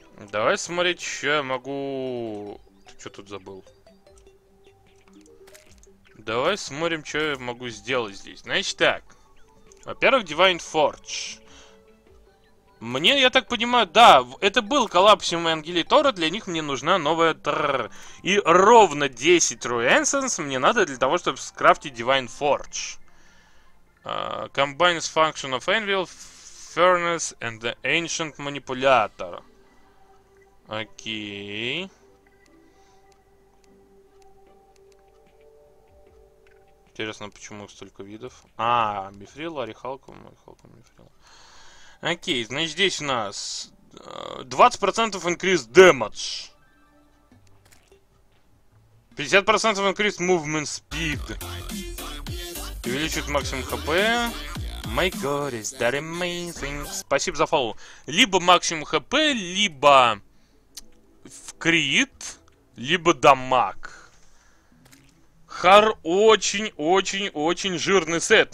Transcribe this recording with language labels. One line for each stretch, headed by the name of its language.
Russian: Давай смотреть, что я могу... Ты что тут забыл? Давай смотрим, что я могу сделать здесь. Значит так. Во-первых, Divine Forge. Мне, я так понимаю, да, это был коллапсиум Ангели Тора, для них мне нужна новая трррр. И ровно 10 True Essence мне надо для того, чтобы скрафтить Divine Forge.
English: Combines function of Anvil, Furnace and the Ancient Manipulator.
Russian: Окей. Интересно, почему их столько видов? А, мифрил, орехалку, мифрил. Окей, значит, здесь у нас
English: 20% increase damage. 50% increase movement speed.
Russian: Увеличивает максимум хп.
English: My god, is that amazing?
Russian: Спасибо за фоллоу. Либо максимум хп, либо в крит, либо дамаг. Хар очень-очень-очень жирный сет.